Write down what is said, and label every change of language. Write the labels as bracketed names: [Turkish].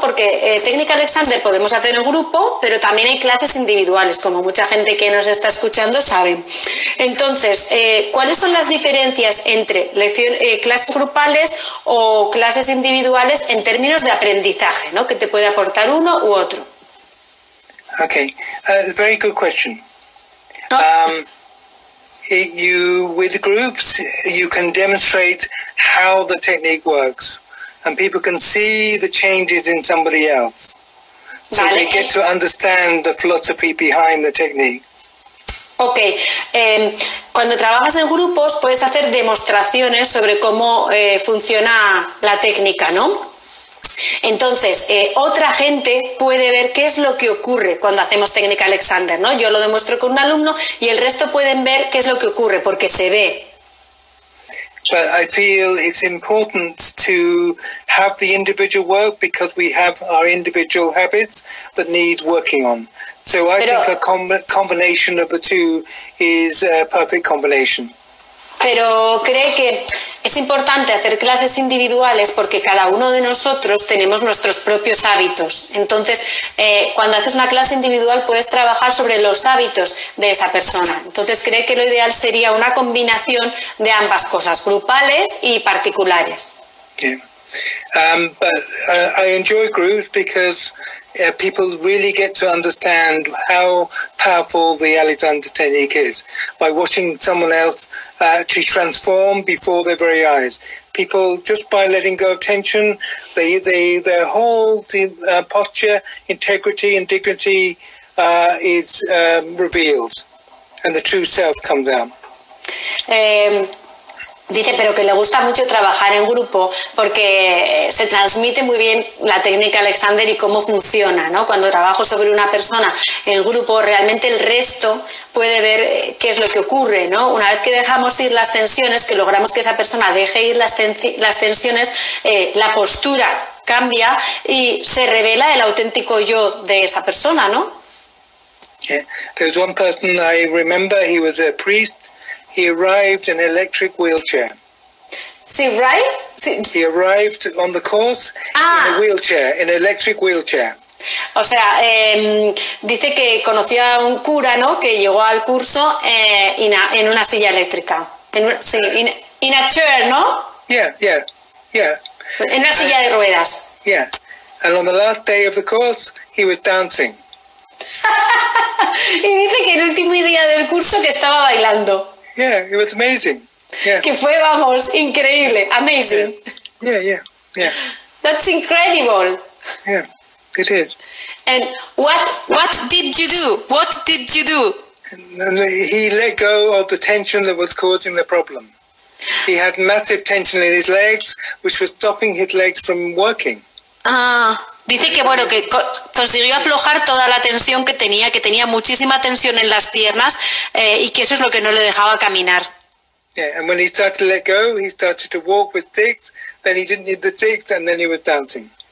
[Spanish] Porque Técnica Alexander podemos hacer en grupo, pero también hay clases individuales, como mucha gente que nos está escuchando sabe. Entonces, ¿cuáles son las diferencias entre clases grupales o clases individuales en términos de aprendizaje, ¿no? ¿Qué te puede aportar uno u otro? [English] Okay, very good question. With groups, you can demonstrate how the technique works, and people can see the changes in somebody else. So they get to understand the philosophy behind the technique. [Spanish] Okay, cuando trabajas en grupos, puedes hacer demostraciones sobre cómo funciona la técnica, ¿no? Entonces, otra gente puede ver qué es lo que ocurre cuando hacemos Técnica Alexander, ¿no? Yo lo demuestro con un alumno y el resto pueden ver qué es lo que ocurre, porque se ve. [English] But I feel it's important to have the individual work because we have our individual habits that need working on. So I think a combination of the two is a perfect combination. [Spanish] Pero cree que es importante hacer clases individuales porque cada uno de nosotros tenemos nuestros propios hábitos. Entonces, cuando haces una clase individual puedes trabajar sobre los hábitos de esa persona. Entonces, cree que lo ideal sería una combinación de ambas cosas, grupales y particulares. [English] Yeah. I enjoy groups because people really get to understand how powerful the Alexander technique is by watching someone else to transform before their very eyes. People, just by letting go of tension, their whole posture, integrity and dignity is revealed and the true self comes out. [Spanish] Dice, pero que le gusta mucho trabajar en grupo porque se transmite muy bien la técnica Alexander y cómo funciona, ¿no? Cuando trabajo sobre una persona en grupo, realmente el resto puede ver qué es lo que ocurre, ¿no? Una vez que dejamos ir las tensiones, que logramos que esa persona deje ir las tensiones, la postura cambia y se revela el auténtico yo de esa persona, ¿no? [English] Yeah. There's one person I remember, he was a priest. He arrived in an electric wheelchair. He arrived on the course in a wheelchair, in an electric wheelchair. [Spanish] O sea, dice que conocía a un cura, ¿no? Que llegó al curso en una silla eléctrica. [English] In a chair, ¿no? Yeah. [Spanish] En una silla de ruedas. [English] Yeah. And on the last day of the course, he was dancing. [Spanish] Y dice que el último día del curso que estaba bailando. [English] Yeah, it was amazing. [Spanish] Que fue, vamos, increíble, amazing. [English] Yeah. That's incredible. Yeah, it is. And what did you do? What did you do? And he let go of the tension that was causing the problem. He had massive tension in his legs, which was stopping his legs from working. [Spanish] Ah, dice que bueno, que consiguió aflojar toda la tensión que tenía muchísima tensión en las piernas, y que eso es lo que no le dejaba caminar. [English] Yeah, and when he started to let go, he started to walk with sticks, then he didn't need the sticks, and then he was dancing.